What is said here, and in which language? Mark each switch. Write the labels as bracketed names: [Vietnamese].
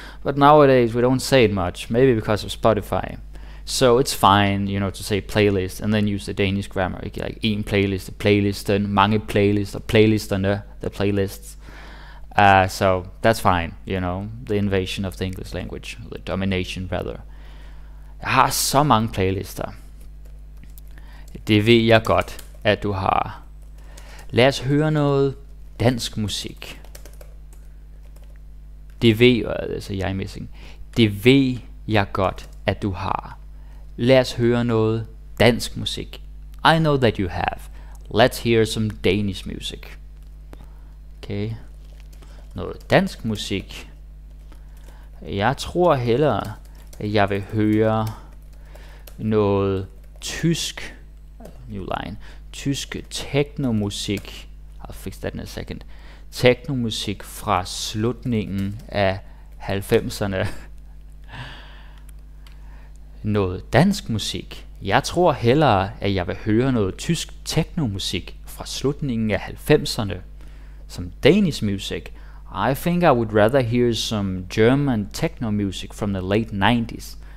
[English] But nowadays we don't say it much, maybe because of Spotify. So it's fine, you know, to say playlist and then use the Danish grammar, like [Danish] en playlist, playlisten, mange playlister, playlisterne, [English] the playlists. So that's fine, you know, the invasion of the English language, the domination rather. [Danish] Jeg har så mange playlister. Det ved jeg godt, at du har. Lad os høre noget dansk musik. Det ved, altså jeg er missing. Det ved jeg godt, at du har. Lad os høre noget dansk musik. [English] I know that you have. Let's hear some Danish music. Okay. [Danish] Noget dansk musik. Jeg tror hellere, at jeg vil høre noget tysk. [English] New line. [Danish] Tysk teknomusik. [English] I'll fix that in a second. [Danish] Teknomusik fra slutningen af 90'erne. Noget dansk musik. Jeg tror hellere, at jeg vil høre noget tysk teknomusik fra slutningen af 90'erne. Som [English] Danish music. I think I would rather hear some German techno music from the late 90s.